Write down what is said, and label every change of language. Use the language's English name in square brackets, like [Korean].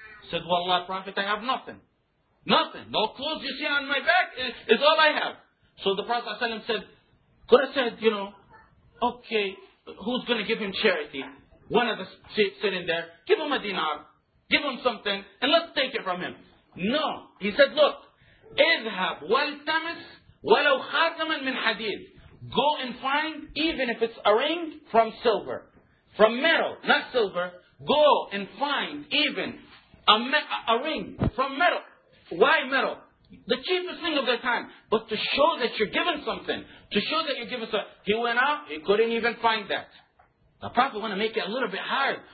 [English] Said, "Wallah, Prophet, I have nothing. Nothing. No clothes you see on my back is all I have." So the Prophet ﷺ said, could have said, you know, okay, who's going to give him charity? One of the sitting there, give him a dinar, give him something, and let's take it from him. No. He said, look, [Arabic] اذهب والتمس ولو خاتما من حديد. [English] Go and find, even if it's a ring, from silver. From metal, not silver. Go and find, even a ring from metal. Why metal? The cheapest thing of the time. But to show that you're given something. He went out, he couldn't even find that. The Prophet wanted to make it a little bit hard.